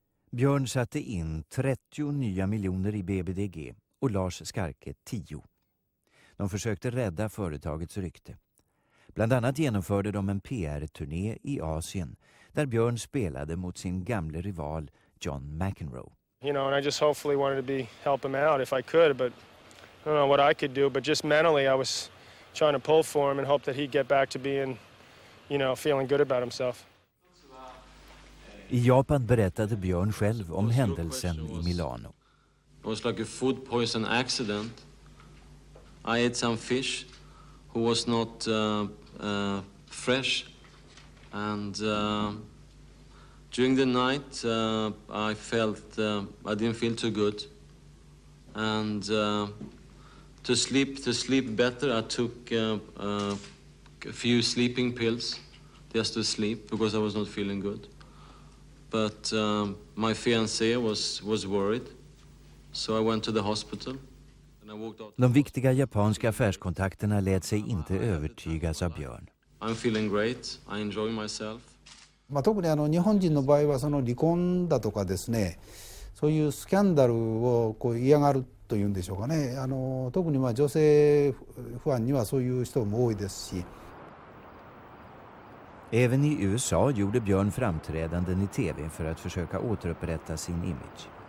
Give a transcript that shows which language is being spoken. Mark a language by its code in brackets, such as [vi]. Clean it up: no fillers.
[sv] Björn satte in 30 nya miljoner i BBDG och Lars Skarke 10. De försökte rädda företagets rykte. Bland annat genomförde de en PR-turné i Asien där Björn spelade mot sin gamle rival John McEnroe. [en] You know, and I just hopefully wanted to be help him out if I could, but I don't know what I could do, but just mentally I was trying to pull for him and hope that he'd get back to being, you know, feeling good about himself. [sv] I Japan berättade Björn själv om händelsen i Milano. [en] It was like a food poison accident. I ate some fish who was not fresh and during the night I felt I didn't feel too good and to sleep better I took a few sleeping pills just to sleep because I was not feeling good but my fiancé was worried so I went to the hospital. [sv] De viktiga japanska affärskontakterna lät sig inte övertygas av Björn. [en] I'm feeling great. I enjoy myself. [ja] まあ、特にあの日本人の場合はその離婚だとかですね、そういうスキャンダルをこう嫌がるというんでしょうかね。あの特にまあ女性不安にはそういう人も多いですし。 [sv] Även i USA gjorde Björn framträdanden i TV för att försöka återupprätta sin image.